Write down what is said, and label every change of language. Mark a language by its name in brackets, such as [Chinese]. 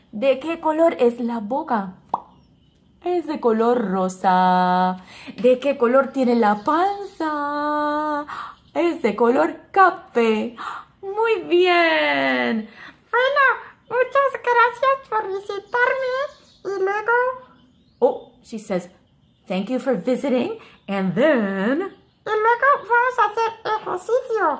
[Spanish] ¿De qué color es la boca? Es de color rosa. ¿De qué color tiene la panza? Es de color café. Muy bien. Bueno, muchas gracias por visitarme. Y luego... [English] Oh, she says, thank you for visiting. And then... [Spanish] Y luego vamos a hacer ejercicio.